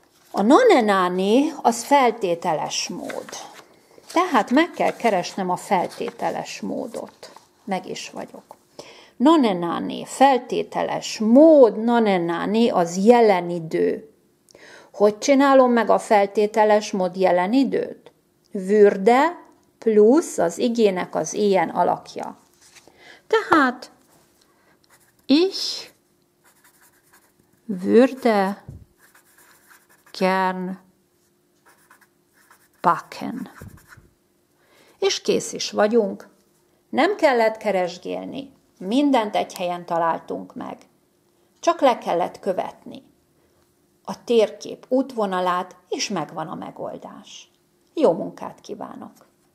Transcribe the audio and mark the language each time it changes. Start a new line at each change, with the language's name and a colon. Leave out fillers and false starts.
Hungarian: A nanenáni az feltételes mód. Tehát meg kell keresnem a feltételes módot. Meg is vagyok. Na ne náné, feltételes mód, na ne náné, az jelen idő. Hogy csinálom meg a feltételes mód jelen időt? Würde plusz az igének az ilyen alakja.
German: Tehát, ich würde gern backen.
Hungarian: És kész is vagyunk. Nem kellett keresgélni. Mindent egy helyen találtunk meg. Csak le kellett követni a térkép útvonalát, és megvan a megoldás. Jó munkát kívánok!